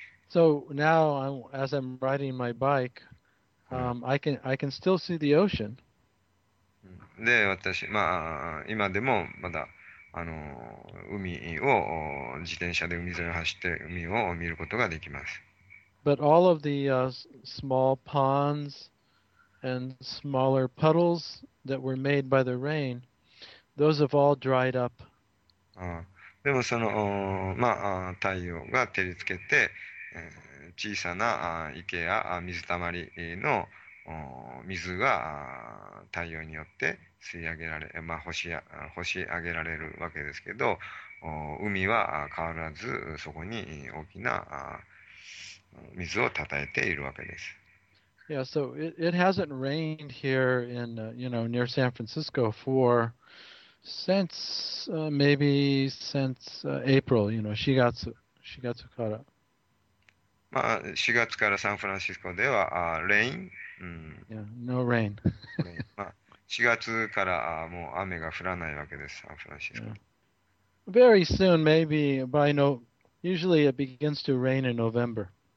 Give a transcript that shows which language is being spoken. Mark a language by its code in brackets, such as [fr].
[en] So now, as I'm riding my bike, I can still see the ocean. [ja] で、私、まあ、今でもまだ、海を、自転車で海沿いを走って海を見ることができます。 [en] But all of the small ponds and smaller puddles that were made by the rain, those have all dried up. [ja] ああ、でもその、まあ、太陽が照りつけて、小さな、池や、水たまりの、水が太陽によって吸い上げられ、まあ、干し上げられるわけですけど、海は変わらずそこに大きな水をたたえているわけです。 [en] Yeah, so it hasn't rained here in near San Francisco for since maybe since April, Shigatsu. [ja] まあ、4月からサンフランシスコでは、 [en] Yeah, no rain. [ja] レイン、まあ、4月からもう雨が降らないわけです、サンフランシスコ。 [en] Very soon, maybe by no. Usually it begins to rain in November.